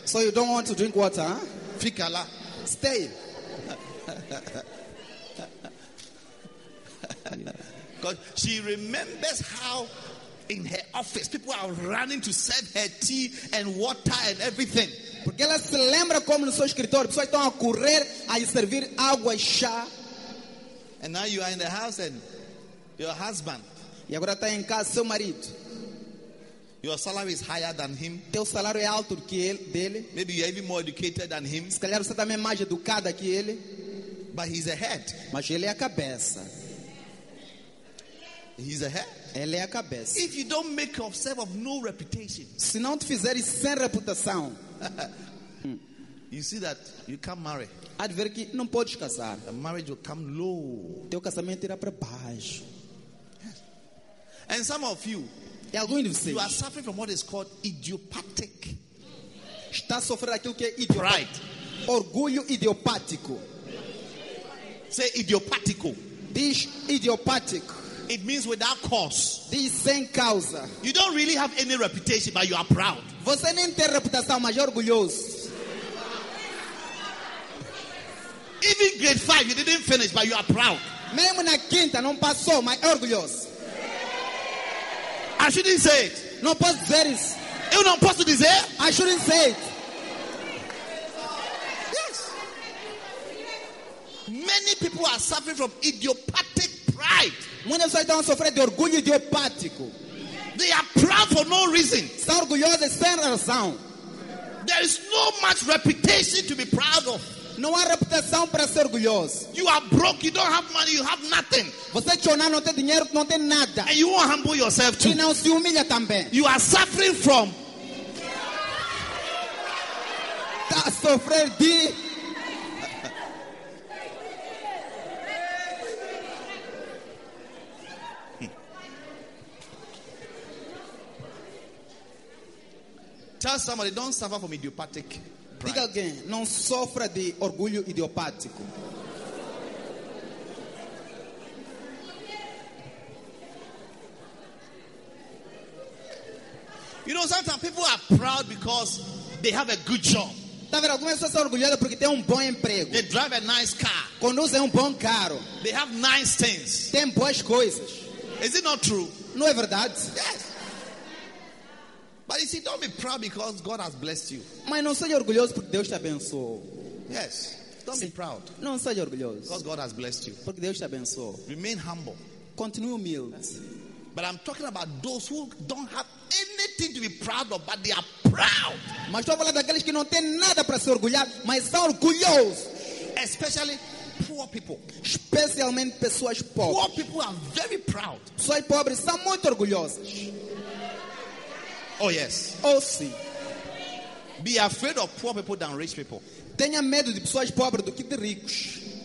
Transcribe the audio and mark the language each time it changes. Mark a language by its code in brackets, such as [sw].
[en] So you don't want to drink water, huh? [pt] Fica lá. [en] Stay. Because she remembers how in her office people are running to serve her tea and water and everything. [pt] Porque ela se lembra como no seu escritório, pessoas estão a correr a servir água e chá. [en] And now you are in the house and your husband. [pt] E agora está em casa seu marido. [en] Your salary is higher than him. [pt] Teu salário é alto do que ele, dele. [en] Maybe you're even more educated than him. [pt] Se calhar você também é mais educada que ele. [en] But he's a head. [pt] Mas ele é a cabeça. [en] He's a head. [pt] Ele é a cabeça. [en] If you don't make yourself of no reputation, [pt] se não te fizeres sem reputação, [en] you see that you can't marry. [pt] Há de ver que não podes casar. [en] The marriage will come low. [pt] Teu casamento irá para baixo. [en] And some of you, [pt] e alguns de vocês, [en] you are suffering from what is called idiopathic [pt] está a sofrer aquilo que é idiopático. [en] Pride. [pt] Orgulho idiopático. [en] Say idiopático. [pt] Diz idiopático. [en] It means without cause. [pt] Diz sem causa. [en] You don't really have any reputation, but you are proud. [pt] Você nem tem reputação, mas é orgulhoso. [en] Even grade 5, you didn't finish, but you are proud. [pt] Mesmo na quinta, não passou, mas é orgulhoso. [en] I shouldn't say it. [pt] Não posso dizer isso. Eu não posso dizer? [en] I shouldn't say it. Yes. Many people are suffering from idiopathic pride. [pt] Muitas pessoas estão sofrendo de orgulho idiopático. [en] They are proud for no reason. [pt] São orgulhosos sem razão. [en] There is no much reputation to be proud of. [pt] Não há reputação para ser orgulhoso. [en] You are broke, you don't have money, you have nothing. [pt] Você chorar, não tem dinheiro, não tem nada. [en] And you won't humble yourself too. [pt] E não se humilha também. [en] You are suffering from. [pt] Tá sofrer de. [en] Tell somebody, don't suffer from idiopathic. Pride. [pt] Diga alguém, não sofra de orgulho idiopático. [en] You know, sometimes people are proud because they have a good job. [pt] Tá vendo? Algumas pessoas são orgulhosas porque têm um bom emprego. [en] They drive a nice car. [pt] Conduzem um bom carro. [en] They have nice things. [pt] Têm boas coisas. [en] Is it not true? [pt] Não é verdade? [en] Yes. But you see, don't be proud because God has blessed you. [pt] Mas não seja orgulhoso porque Deus te abençoou. [en] Yes. Don't [pt] Sim. [en] be proud. [pt] Não seja orgulhoso. [en] Because God has blessed you. [pt] Porque Deus te abençoou. [en] Remain humble. [pt] Continue humilde. [en] But I'm talking about those who don't have anything to be proud of, but they are proud. [pt] Mas estou falando daqueles que não têm nada para se orgulhar, mas são orgulhosos. [en] Especially poor people. [pt] Especialmente pessoas pobres. [en] Poor people are very proud. [pt] Pessoas pobres são muito orgulhosas. [en] Oh yes. [pt] Oh sim. [en] Be afraid of poor people than rich people. [pt] Tenha medo de pessoas pobres do que de ricos.